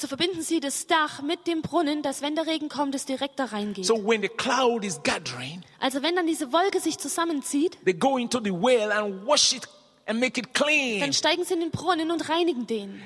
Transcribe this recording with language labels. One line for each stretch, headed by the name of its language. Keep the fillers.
German: so verbinden sie das Dach mit dem Brunnen, dass wenn der Regen kommt, es direkt da reingeht.
English: So when the cloud is gathering.
German: Also wenn dann diese Wolke sich zusammenzieht.
English: They go into the well and wash it and make it clean.
German: Dann steigen sie in den Brunnen und reinigen den.